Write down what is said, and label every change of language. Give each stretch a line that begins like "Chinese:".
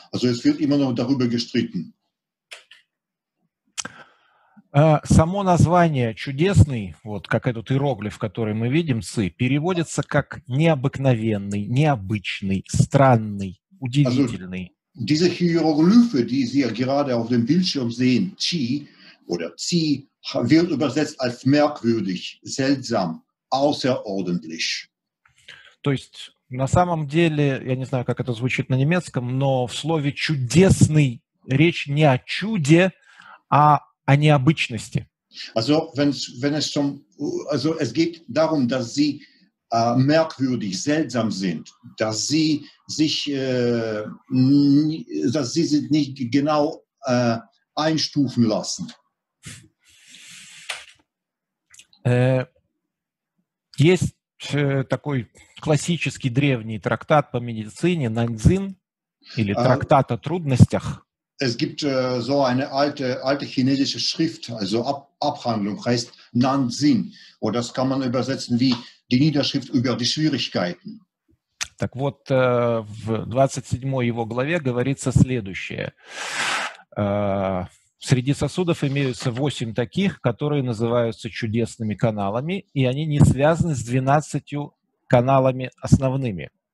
German: Also es wird immer noch darüber gestritten.
Russian: Само название «чудесный», вот как этот иероглиф, который мы видим, «цы», переводится как «необыкновенный», «необычный», «странный», «удивительный».
German: Also, diese Hieroglyphe, die Sie gerade auf dem Bildschirm sehen, «чи» oder «цы», wird übersetzt als «merkwürdig», «seltsam», «außerordentlich».
Russian: То есть, на самом деле, я не знаю, как это звучит на немецком, но в слове «чудесный» речь не о чуде, а о необычности.
German: Also, wenn es schon, also es geht darum, dass sie merkwürdig, seltsam sind, dass sie sich nicht genau einstufen lassen.
Russian: Есть такой классический древний трактат по медицине Наньцзин или трактат о трудностях.
German: Es gibt so eine alte chinesische Schrift, also Abhandlung, heißt Nanzin. Und das kann man übersetzen wie die Niederschrift über die Schwierigkeiten.
Russian: Так вот, в 27 его главе говорится следующее. Среди сосудов имеются 8 таких, которые называются чудесными каналами, и они не связаны с 12 каналами основными.